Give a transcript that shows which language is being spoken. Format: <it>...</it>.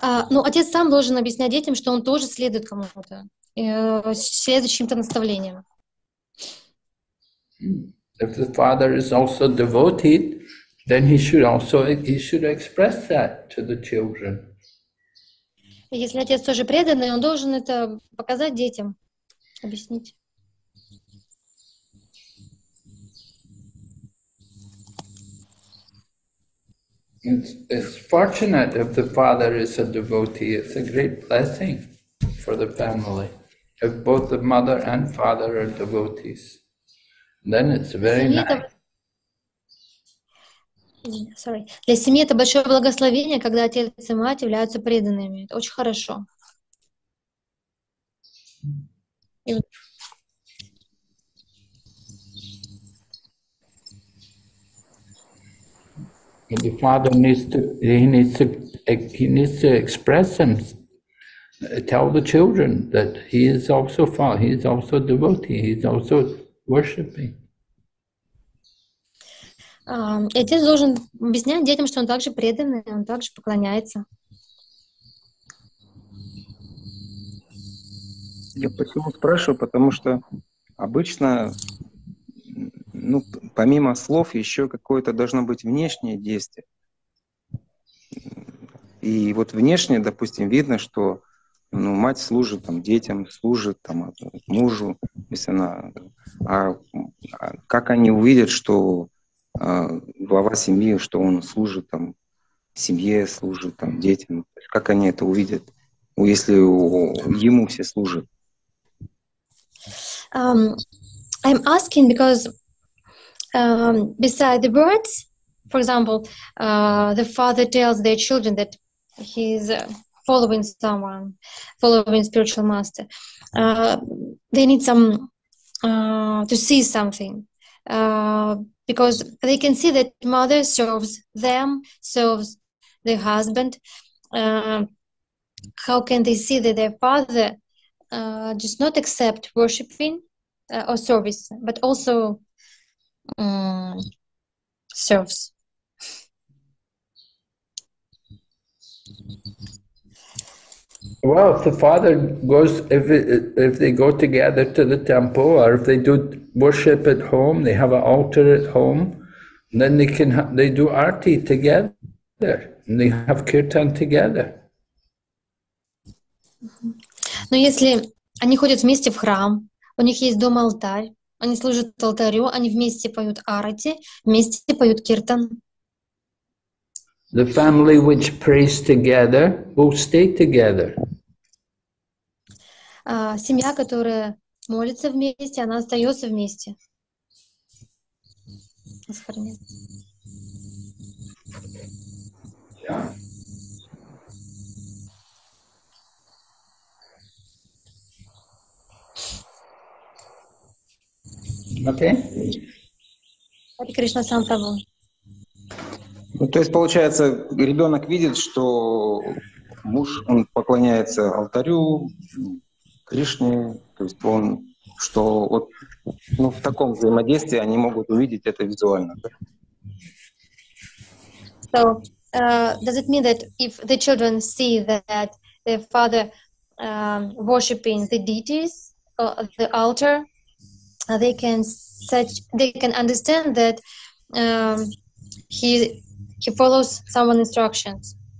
<ru>Ну, отец сам должен объяснять детям, что он тоже следует кому-то, следует чьим-то наставлениям.</ru> <en>If the father is also devoted, then he should express that to the children.</en> <ru>Если отец тоже преданный, он должен это показать детям, объяснить.</ru> <en>It's fortunate if the father is a devotee. It's a great blessing for the family. If both the mother and father are devotees, then it's very nice.</en> <ru>Для семьи это большое благословение, когда отец и мать являются преданными. Это очень хорошо. And the father needs to express himself, tell the children that he is also father, he is also a devotee, he is also worshiping. Отец должен объяснять детям, что он также преданный, он также поклоняется. Я почему спрашиваю, потому что обычно, ну, помимо слов, еще какое-то должно быть внешнее действие. И вот внешне, допустим, видно, что, ну, мать служит там детям, служит там мужу, если она. А как они увидят, что глава семьи, что он служит там семье, служит там детям? Как они это увидят, если ему все служат?</ru> <en>I'm asking because beside the words, for example, the father tells their children that he's following someone, following spiritual master. They need some to see something because they can see that mother serves them, serves their husband. How can they see that their father does not accept worshiping or service, but also serves. Well, if the father goes, if they go together to the temple, or if they do worship at home, they have an altar at home, then they can they do arti together, and they have kirtan together.</en> <ru>Но если они ходят вместе в храм, у них есть дома алтарь. Они служат алтарю, они вместе поют арати, вместе поют киртан.</ru> <en>The family which prays together will stay together.</en> <ru>Семья, которая молится вместе, она остается вместе. Окей. Кришна сам того. Ну, то есть получается, ребенок видит, что муж, он поклоняется алтарю, Кришне, то есть он, что вот, ну, в таком взаимодействии они могут увидеть это визуально.</ru> <en>So, does it mean that if the children see that their father worshiping the deities, the altar, they can such they can understand that he follows someone's instructions.</en>